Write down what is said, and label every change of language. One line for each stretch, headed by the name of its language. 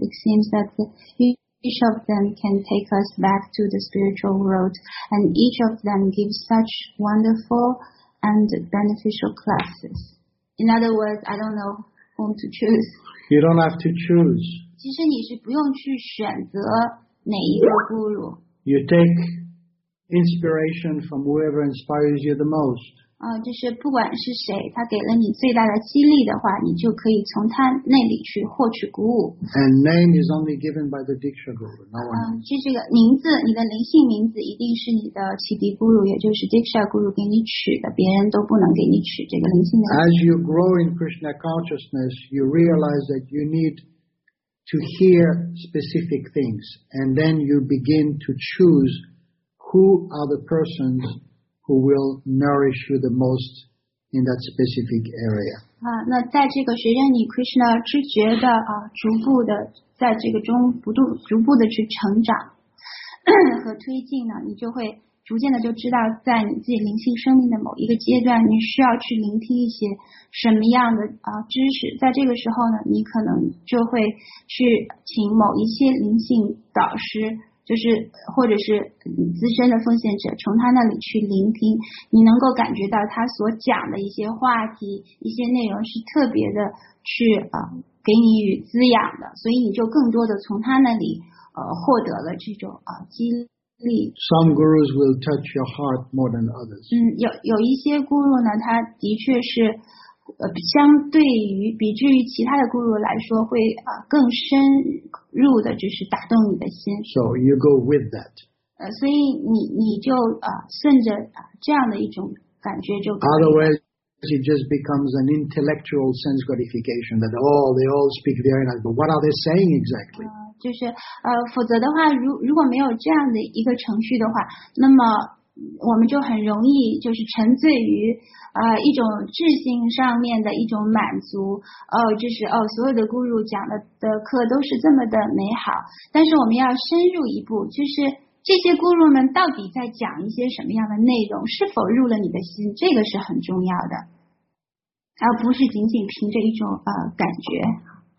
English: It seems that each of them can take us back to the spiritual world, and each of them gives such wonderful and beneficial classes. In other words, I don't know whom to choose. You don't have to choose.
Chinese: 其实你是不用去选择哪一个 guru.
English: You take inspiration from whoever inspires you the most.
Chinese: 就是不管是谁，他给了你最大的激励的话，你就可以从他那里去获取鼓舞。
English: And name is only given by the Diksha Guru, no one.
Chinese: 就这个名字，你的灵性名字一定是你的启迪 Guru, 也就是 Diksha Guru 给你取的，别人都不能给你取这个灵性的。
English: As you grow in Krishna consciousness, you realize that you need to hear specific things, and then you begin to choose who are the persons who will nourish you the most in that specific area.
Chinese: 那在这个随着你 Krishna 知觉的逐步的在这个中不度逐步的去成长和推进呢，你就会逐渐的就知道在你自己灵性生命的某一个阶段，你需要去聆听一些什么样的知识。在这个时候呢，你可能就会去请某一些灵性导师，就是或者是资深的奉献者，从他那里去聆听，你能够感觉到他所讲的一些话题、一些内容是特别的去给你与滋养的，所以你就更多的从他那里获得了这种激励。
English: Some gurus will touch your heart more than others.
Chinese: 有一些 guru 呢，他的确是相对于比至于其他的 guru 来说会更深入的就是打动你的心。
English: So you go with that.
Chinese: 所以你就顺着这样的一种感觉就可以。
English: Otherwise, it just becomes an intellectual sense gratification that all they all speak very nice, but what are they saying exactly?
Chinese: 就是否则的话，如果没有这样的一个程序的话，那么我们就很容易就是沉醉于一种智性上面的一种满足，就是所有的 guru 讲的课都是这么的美好，但是我们要深入一步，就是这些 guru 们到底在讲一些什么样的内容，是否入了你的心，这个是很重要的，而不是仅仅凭着一种感觉。